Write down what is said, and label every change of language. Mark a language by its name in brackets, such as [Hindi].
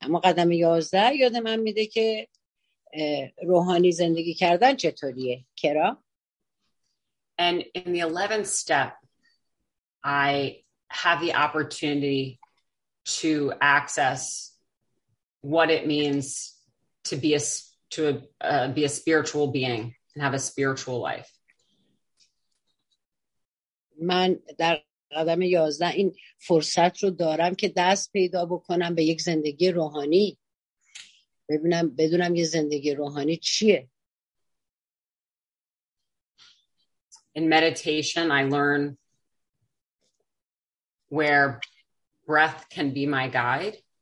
[Persian] اما قدم 11 یاد من میده که روحانی زندگی کردن چطوریه. کرا؟ [English] And in the 11th step, I have the opportunity to access what it means to be a spiritual being and have a spiritual life. [Persian] من در قدم 11 این فرصت رو دارم که دست پیدا بکنم به یک زندگی روحانی، ببینم بدونم یه زندگی روحانی چیه. [English] In meditation I learn where breath can be my guide.